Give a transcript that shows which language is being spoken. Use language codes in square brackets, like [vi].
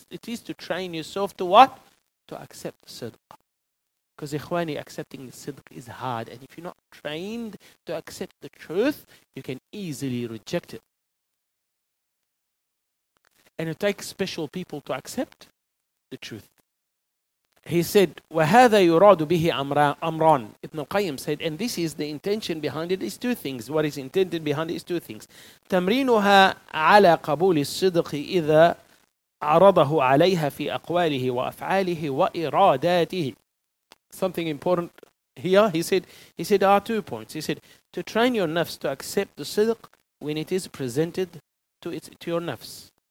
[en] It is to train yourself to what? To accept the sidq. Because ikhwani, accepting the sidq is hard. And if you're not trained to accept the truth, you can easily reject it. And it takes special people to accept the truth. [ar] He said, وَهَذَا يُرَادُ بِهِ أَمْرًا. [en] Ibn al-Qayyim said, and this is the intention behind it, is two things. What is intended behind it is two things. [ar] تَمْرِينُهَا عَلَى قَبُولِ الصِّدْقِ إِذَا عَرَضَهُ عَلَيْهَا فِي أَقْوَالِهِ وَأَفْعَالِهِ وَإِرَادَاتِهِ. [en] Something important here, he said, are two points. He said, to train your nafs to accept the sidq when it is presented to your nafs.